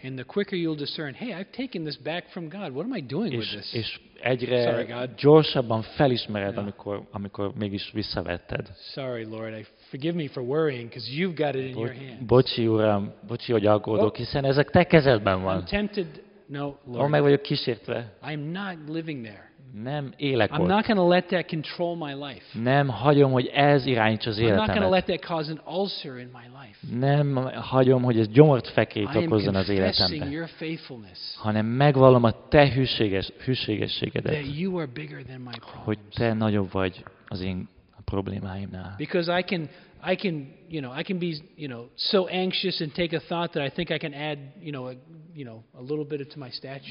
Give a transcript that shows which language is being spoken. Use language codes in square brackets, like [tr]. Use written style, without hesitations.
[en] And the quicker you'll discern, hey, I've taken this back from God. What am I doing with this? [hu] És egyre gyorsabban felismered, amikor mégis visszavetted. [en] Sorry, Lord, I forgive me for worrying because you've got it in your hands. [hu] Bocsi, Uram, bocsi, hogy aggódok, hiszen ezek te kezedben van. [en] No, Lord. [hu] Meg vagyok kísértve. [en] I'm not living there. [hu] Nem élek [en] ott. I'm not going to let that control my life. [hu] Nem hagyom, hogy ez irányítsa az életemet. [en] I'm not going to let that cause an ulcer in my life. [hu] Nem hagyom, hogy ez gyomort fekét okozzon az életemben. [en] Your faithfulness. [hu] Hanem megvallom a te hűségességedet. [en] That you are bigger than my problems. [hu] Hogy te nagyobb vagy az én problémáimnál. [en] Because I can be so anxious and take a thought that I think I can add, a little bit to my stature.